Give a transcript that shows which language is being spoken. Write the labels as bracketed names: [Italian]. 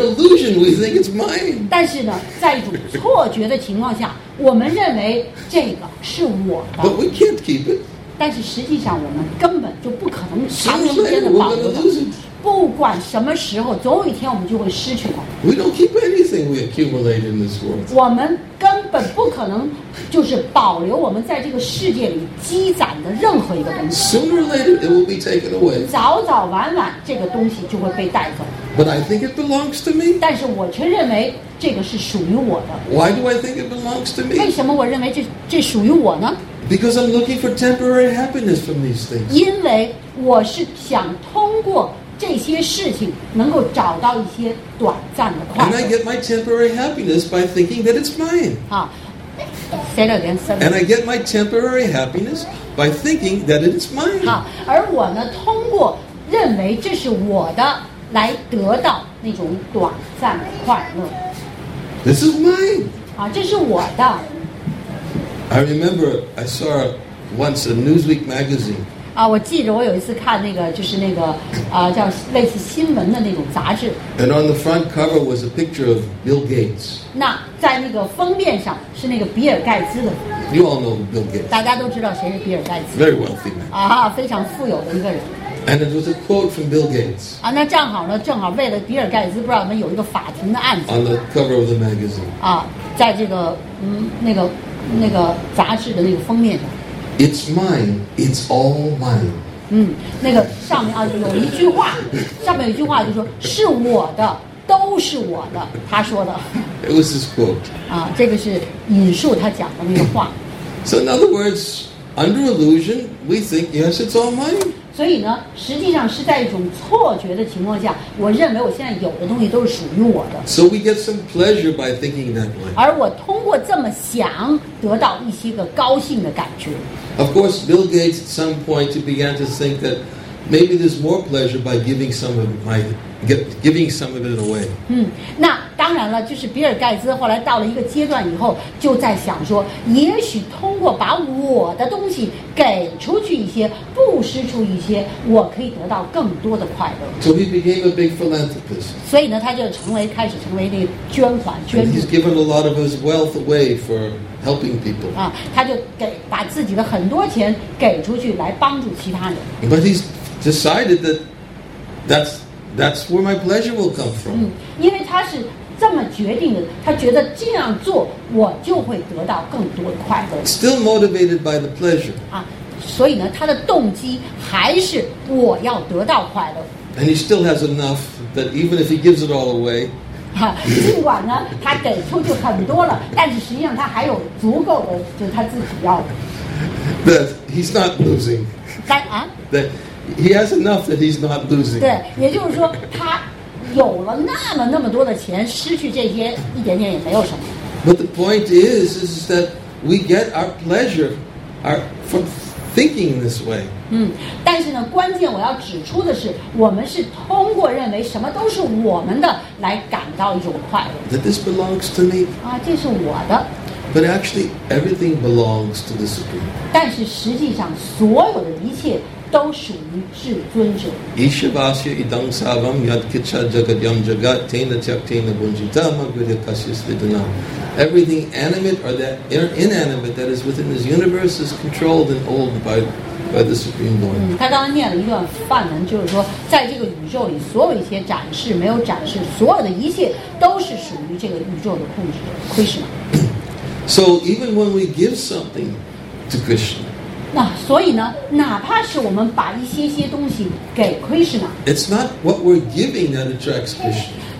[English] An illusion, we think it's mine. [Chinese] 但是呢，在一种错觉的情况下，我们认为这个是我的。 [English] But we can't keep it. [Chinese] 但是实际上，我们根本就不可能长时间的保留的。不管什么时候，总有一天我们就会失去的。 [English] We don't keep anything we accumulate in this world. [Chinese] 我们根本不可能就是保留我们在这个世界里积攒的任何一个东西。 [English] Sooner or later, it will be taken away. [Chinese] 早早晚晚，这个东西就会被带走。 [English] But I think it belongs to me. [Chinese] 但是我却认为这个是属于我的。 [English] Why do I think it belongs to me? [Chinese] 为什么我认为这属于我呢？ [English] Because I'm looking for temporary happiness from these things. [Chinese] 因为我是想通过这些事情能够找到一些短暂的快乐。 [English] And I get my temporary happiness by thinking that it's mine. Say it again, sir. And I get my temporary happiness by thinking that it's mine. [Chinese] 好，而我呢，通过认为这是我的来得到那种短暂的快乐。 [English] This is mine. [Chinese] 这是我的。 [English] I remember I saw once a Newsweek magazine. [Chinese] 我记着我有一次看那个，就是那个，叫类似新闻的那种杂志。 [English] And on the front cover was a picture of Bill Gates. [Chinese] 那在那个封面上是那个比尔盖茨的。 [English] You all know Bill Gates. [Chinese] 大家都知道谁是比尔盖茨。 [English] Very wealthy man. [Chinese] 非常富有的一个人。 [English] And it was a quote from Bill Gates. [Chinese] 那正好为了比尔盖茨，不知道怎么有一个法庭的案子。 [English] On the cover of the magazine. [Chinese] 在这个那个杂志的那个封面上。 [English] It's mine. It's all mine. [Chinese] 那个上面有一句话，上面有一句话就说是我的，都是我的。他说的。 [English] It was his quote. [Chinese] 这个是引述他讲的那个话。 [English] So in other words, under illusion, we think yes, it's all mine. [Chinese] 所以呢，实际上是在一种错觉的情况下，我认为我现在有的东西都是属于我的。 [English] So we get some pleasure by thinking that way. [Chinese] 而我通过这么想，得到一些个高兴的感觉。 [English] Of course, Bill Gates at some point began to think that maybe there's more pleasure by giving some of it away. [Chinese] 那当然了，就是比尔盖茨后来到了一个阶段以后，就在想说，也许通过把我的东西给出去一些，布施出一些，我可以得到更多的快乐。 [English] So he became a big philanthropist. [Chinese] 所以呢，他就开始成为那个捐款捐助。 [English] He's given a lot of his wealth away for helping people. [Chinese] 他就把自己的很多钱给出去来帮助其他人。 [English] But he's decided that's where my pleasure will come from. [Chinese] 因为他是这么决定的，他觉得这样做我就会得到更多的快乐。 [English] Still motivated by the pleasure. [Chinese] 所以呢，他的动机还是我要得到快乐。 [English] And he still has enough that even if he gives it all away. [Chinese] 尽管呢，他给出去很多了，但是实际上他还有足够的，就是他自己要的。 [English] That he's not losing. [Chinese] 但 [English] He has enough that he's not losing. [Chinese] 对，也就是说，他有了那么多的钱，失去这些一点点也没有什么。 [English] But the point is that we get our pleasure from thinking this way. [Chinese] 但是呢，关键我要指出的是，我们是通过认为什么都是我们的来感到一种快乐。 [English] That this belongs to me. [Chinese] 啊，这是我的。 [English] But actually, everything belongs to the Supreme. [Chinese] 但是实际上，所有的一切都属于至尊者。 [Sanskrit] Ishvasya idam sarvam yad kichad jagat yam jagat tena tyak tena bunjitama gudhikasya sthidana. [English] Everything animate or that inanimate that is within this universe is controlled and owned by the Supreme Lord. [Chinese] 他刚刚念了一段梵文，就是说，在这个宇宙里，所有一切展示没有展示，所有的一切都是属于这个宇宙的控制者 Krishna. [English] So even when we give something to Krishna. [Chinese] 那所以呢，哪怕是我们把一些些东西给 Krishna. [English] It's not what we're giving that attracts Krishna.